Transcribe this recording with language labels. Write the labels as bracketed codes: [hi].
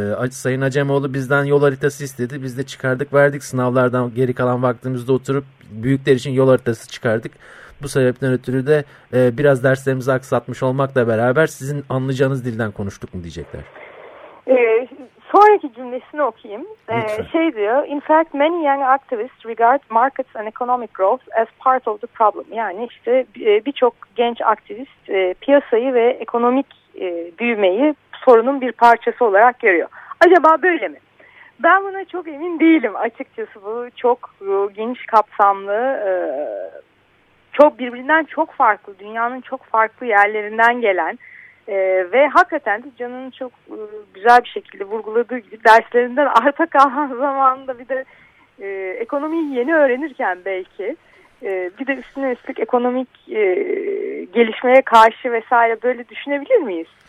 [tr] Sayın Acemoğlu bizden yol haritası istedi. Biz de çıkardık verdik. Sınavlardan geri kalan vaktimizde oturup büyükler için yol haritası çıkardık. Bu sebepten ötürü de biraz derslerimizi aksatmış olmakla beraber sizin anlayacağınız dilden konuştuk mu diyecekler. Sonraki cümlesini okuyayım. Şey diyor, [en] in fact many young activists regard markets and economic growth as part of the problem. [tr] Yani işte birçok genç aktivist piyasayı ve ekonomik büyümeyi sorunun bir parçası olarak görüyor. Acaba böyle mi? Ben buna çok emin değilim açıkçası. Bu çok geniş kapsamlı, çok birbirinden çok farklı, dünyanın çok farklı yerlerinden gelen ve hakikaten de Can'ın çok güzel bir şekilde vurguladığı gibi derslerinden arta kalan zamanda bir de ekonomiyi yeni öğrenirken belki bir de üstüne üstlük ekonomik gelişmeye karşı vesaire böyle düşünebilir miyiz?